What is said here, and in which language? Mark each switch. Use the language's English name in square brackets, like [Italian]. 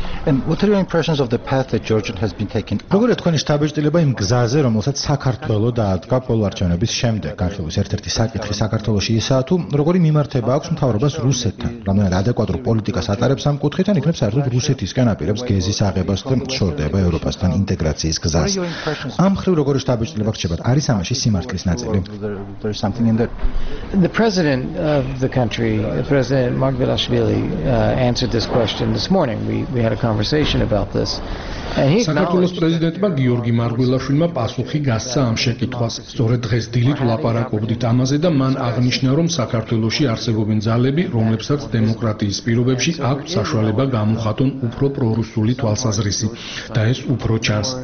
[English] And what are your impressions of the path that Georgia has been taking? [Georgian] როგორია თქვენი შთაბეჭდილება იმ გზაზე, რომელსაც საქართველო დაადგა პოლარჩანების შემდეგ? განხილვის ერთ-ერთი საკითხი საქართველოსი ისაა, თუ როგორი მიმართება აქვს მთავრობას რუსეთთან? რამდენად ადეკვატურ პოლიტიკას ატარებს ამ კუთხიდან, იქნებ საერთოდ რუსეთისგან აპირებს გეზის აღებას და შორდება ევროპასთან ინტეგრაციის გზას? ამ მხრივ როგორი შთაბეჭდილება ხდება? არის ამაში სიმართლის ნაწილი? [English] The president of the country, President Margvelashvili, answered this question this morning. We had a conversation about this. [Georgian] საქართველოს პრეზიდენტმა გიორგი მარგველაშვილმა პასუხი გასცა ამ შეკითხვას. სწორედ დღეს დილით ვლაპარაკობდით ამაზე და მან აღნიშნა, რომ საქართველოში არსებობენ ძალები, რომლებსაც დემოკრატიის პირობებში აქვთ საშუალება გამოხატონ უფრო პრორუსული თვალსაზრისი და ეს უფრო ჩანს.